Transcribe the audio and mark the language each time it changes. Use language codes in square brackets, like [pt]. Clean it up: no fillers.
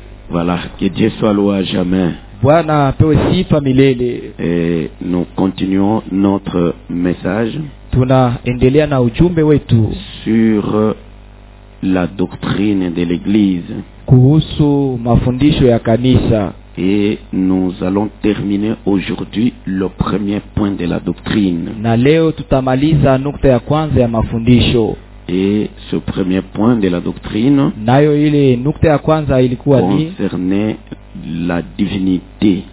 [fr] Voilà, que Dieu soit loué à jamais. [sw] Bwana apewe sifa milele. [fr] Et nous continuons notre message. [sw] Tunaendelea na ujumbe wetu. [fr] Sur la doctrine de l'église. [sw] Kuhusu mafundisho ya kanisa. [fr] Et nous allons terminer aujourd'hui le premier point de la doctrine. [sw] Na leo tutamaliza nukta ya kwanza ya mafundisho. [fr] Et ce premier point de la doctrine. [sw] Nayo ile nukta ya kwanza ilikuwa ni [fr] concernait la divinité.